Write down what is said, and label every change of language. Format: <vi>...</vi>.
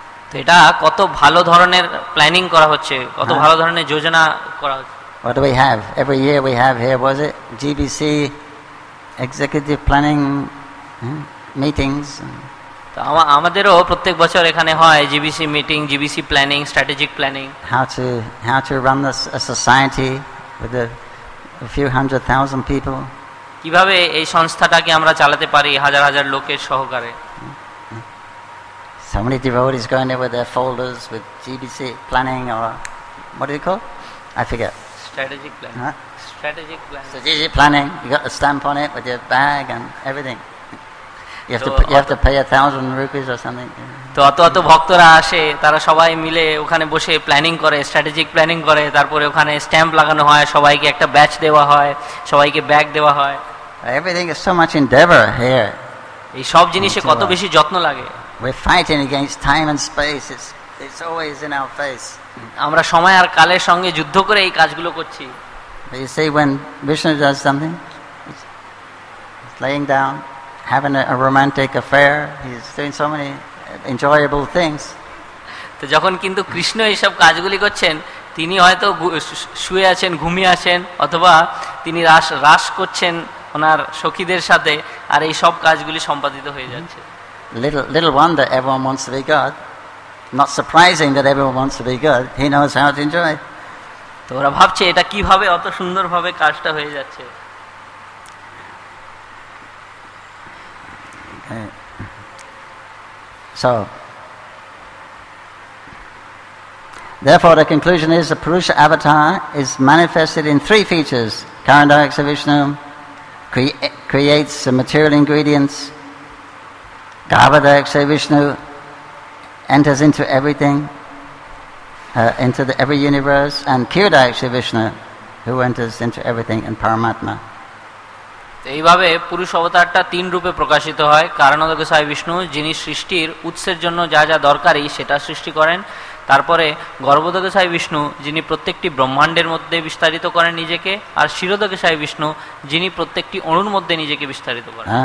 <bn>তো এটা কত ভালো ধরনের প্ল্যানিং করা হচ্ছে, কত ভালো ধরনের যোজনা করা হচ্ছে.</bn> <en>What do we have? Every year we have here, was it? GBC executive planning meetings.</en> <bn>তো আমাদেরও প্রত্যেক বছর এখানে হয় GBC meeting, GBC planning, strategic planning.</bn> <en>How to run this, a society with a few hundred thousand people.</en> <bn>কিভাবে এই সংস্থাটাকে আমরা চালাতে পারি হাজার হাজার লোকের সহকারে.</bn> <en>So many devotees going there with their folders with GBC planning, or what do you call? I forget. Strategic planning. Strategic planning. So GBC planning, you got a stamp on it with your bag and everything. You have to pay 1,000 rupees or something.</en> <bn>তো অত অত ভক্তরা আসে, তারা সবাই মিলে ওখানে বসে প্ল্যানিং করে, স্ট্র্যাটেজিক প্ল্যানিং করে, তারপরে ওখানে স্ট্যাম্প লাগানো হয়, সবাইকে একটা ব্যাচ দেওয়া হয়, সবাইকে ব্যাগ দেওয়া হয়।</bn> <en>Everything is so much endeavor here.</en> <bn>এই সব জিনিসে কত বেশি যত্ন লাগে।</bn> <en>We're fighting against time and space. It's always in our face.</en> <bn>আমরা সময় আর কালের সঙ্গে যুদ্ধ করে এই কাজগুলো করছি.</bn> <en>You see, when Vishnu does something, he's laying down, having a romantic affair, he's doing so many enjoyable things.</en> <bn>তো যখন কিন্তু কৃষ্ণ এই সব কাজগুলি করছেন, তিনি হয়তো শুয়ে আছেন, ঘুমিয়ে আছেন, অথবা তিনি রাস করছেন ওনার সখীদের সাথে, আর এই সব কাজগুলি সম্পাদিত হয়ে যাচ্ছে.</bn> <en>Little wonder everyone wants to be God. Not surprising that everyone wants to be God. He knows how to enjoy.</en> <bn>তো ওরা ভাবছে এটা কিভাবে অত সুন্দরভাবে কাজটা হয়ে যাচ্ছে.</bn> <en>So therefore the conclusion is the Purusha avatar is manifested in three features. Karan Dharak Sai Vishnu creates the material ingredients. Gavadayak Sai Vishnu enters into everything, into the every universe, and Kiridayak Sai Vishnu, who enters into everything in Paramatma.</en> <bn>এইভাবে পুরুষ অবতারটা তিন রূপে প্রকাশিত হয়। কারণদক সাই বিষ্ণু, যিনি সৃষ্টির উৎসের জন্য যা যা দরকারি সেটা সৃষ্টি করেন। তারপরে গর্ভদক সাই বিষ্ণু, যিনি প্রত্যেকটি ব্রহ্মাণ্ডের মধ্যে বিস্তারিত করেন নিজেকে। আর শিরোদক সাই বিষ্ণু, যিনি প্রত্যেকটি অণুর মধ্যে নিজেকে বিস্তারিত করেন।</bn>